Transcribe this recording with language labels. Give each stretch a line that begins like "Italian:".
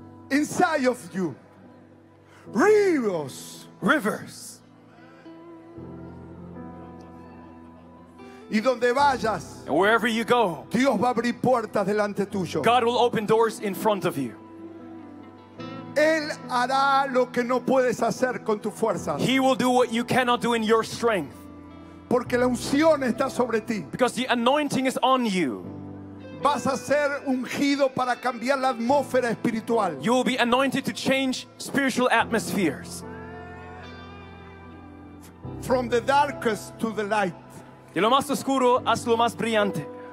English: Inside of you, ríos. Rivers.
Spanish: Y donde vayas,
English: and wherever you go,
Spanish: Dios va a abrir puertas delante tuyo.
English: God will open doors in front of you.
Spanish: Él hará lo que no puedes hacer con tus fuerzas.
English: He will do what you cannot do in your strength.
Spanish: Porque la unción está sobre ti.
English: Because the anointing is on you.
Spanish: Vas a ser ungido para cambiar la atmósfera espiritual.
English: You will be anointed to change spiritual atmospheres. From the darkest to the light.
Spanish: De lo más oscuro haz lo más brillante.